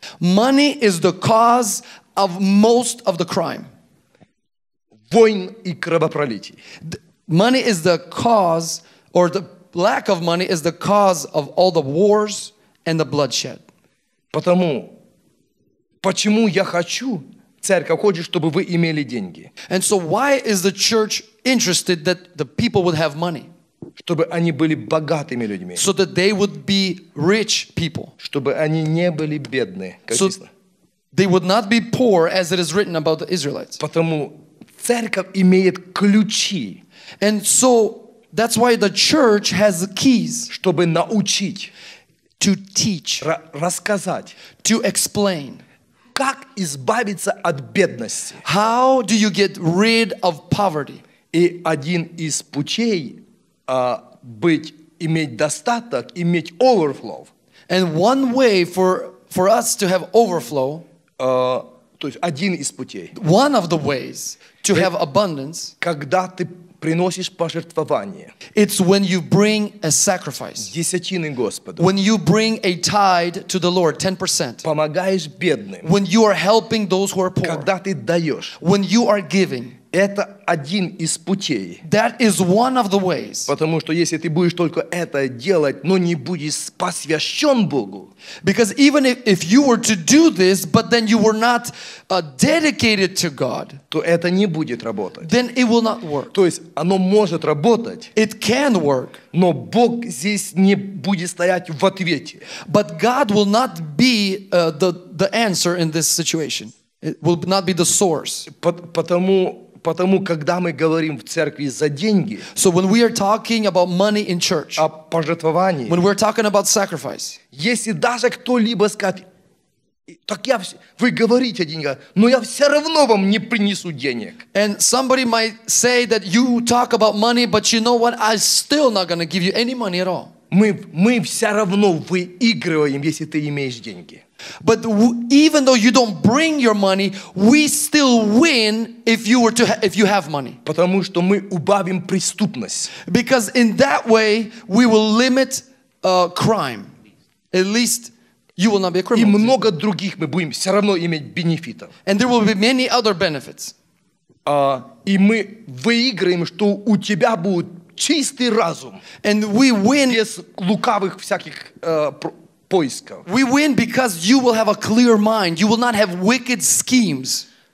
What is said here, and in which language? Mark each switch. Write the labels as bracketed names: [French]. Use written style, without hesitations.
[English] Money is the cause of most of the crime. [Russian] Войн и кровопролитий. [English] Money is the cause, or the lack of money is the cause of all the wars and the bloodshed. [Russian] Потому, почему я хочу, церковь хочет, чтобы вы имели деньги. [English] And so why is the church interested that the people would have money? [Russian] Чтобы они были богатыми людьми. [English] So that they would be rich people. [Russian] Чтобы они не были бедны, как [English] so they would not be poor, as it is written about the Israelites. [Russian] Потому церковь имеет ключи. [English] And so that's why the church has the keys. [Russian] Чтобы научить. [English] To teach. [Russian] Рассказать. [English] To explain. [Russian] Как избавиться от бедности. [English] How do you get rid of poverty? [Russian] И один из путей быть, иметь достаток, иметь overflow. [English] And one way for us to have overflow. [Russian] То есть один из путей. [English] One of the ways to have abundance. [Russian] Когда ты приносишь пожертвование. [English] It's when you bring a sacrifice. [Russian] Десятины Господу. [English] When you bring a tithe to the Lord, 10%. [Russian] Помогаешь бедным. [English] When you are helping those who are poor. [Russian] Когда ты даешь. [English] When you are giving. [Russian] Это один из путей. [English] That is one of the ways. [Russian] Потому что если ты будешь только это делать, но не будешь посвящен Богу. [English] Because even if you were to do this, but then you were not dedicated to God. [Russian] То это не будет работать. [English] Then it will not work. [Russian] То есть оно может работать. [English] It can work. [Russian] Но Бог здесь не будет стоять в ответе. [English] But God will not be the answer in this situation. It will not be the source. [Russian] Потому, когда мы говорим в церкви за деньги, [English] so when we are talking about money in church, [Russian] о пожертвовании, [English] when we're talking about sacrifice, [Russian] если даже кто-либо скажет, так я, вы говорите о деньгах, но я все равно вам не принесу денег. [English] And somebody might say that you talk about money, but you know what? I'm still not going to give you any money at all. [Russian] Мы все равно выигрываем, если ты имеешь деньги. [English] But even though you don't bring your money, we still win if you have money. Потому что мы убавим преступность. Because in that way we will limit crime. At least you will not be a criminal. [Russian] И много других мы будем все равно иметь бенефитов. [English] And there will be many other benefits. [Russian] И мы выиграем, что у тебя будет чистый разум. [English] And we win [Russian] без лукавых всяких поисков. [English] We win because you will have a clear mind. You will not have wicked schemes.